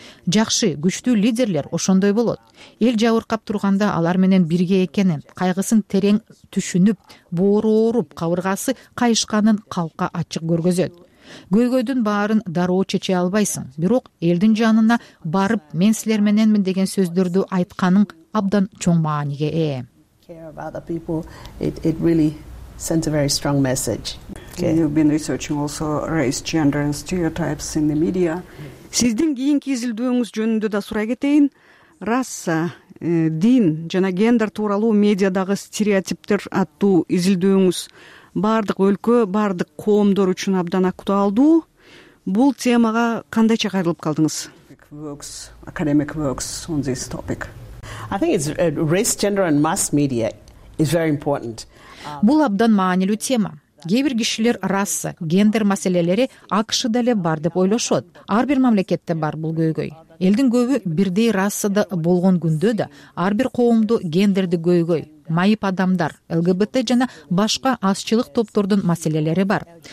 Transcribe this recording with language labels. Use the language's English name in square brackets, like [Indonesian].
[Kyrgyz] Жакшы, күчтүү лидерлер ошондой болот. Эл жабыркап турганда алар менен бирге экенин, кайгысын терең түшүнүп, боору ооруп, кабыргасы кайышканын калкка ачык көргөзөт. Көйгөйдүн баарын дароо чече албайсың, бирок элдин жанына барып, мен силер мененмин деген сөздөрдү айтканың абдан чоң мааниге ээ. [English] Sends a very strong message. Okay. You've been researching also race, gender and stereotypes in the media. [Kyrgyz] Сиздин кийинки изилдөөңүз жөнүндө да сурай кетейин. Раса, дин жана гендер тууралуу медиадагы стереотиптер аттуу изилдөөңүз бардык өлкө, бардык коомдор үчүн абдан актуалдуу. Бул темага кандайча кайрылып калдыңыз? [English] Works, academic works on this topic. I think it's race, gender and mass media is very important. [Kyrgyz] Бул абдан маанилүү тема. Кээ бир кишилер раса, гендер маселелери АКШ деле бар деп ойлошот. Ар бир мамлекетте бар бул көйгөй. Элдин көбү бирдей расада болгон күндө да, ар бир коомдо гендерди көйгөй, майып адамдар, ЛГБТ жана башка азчылык топтордун маселелери бар.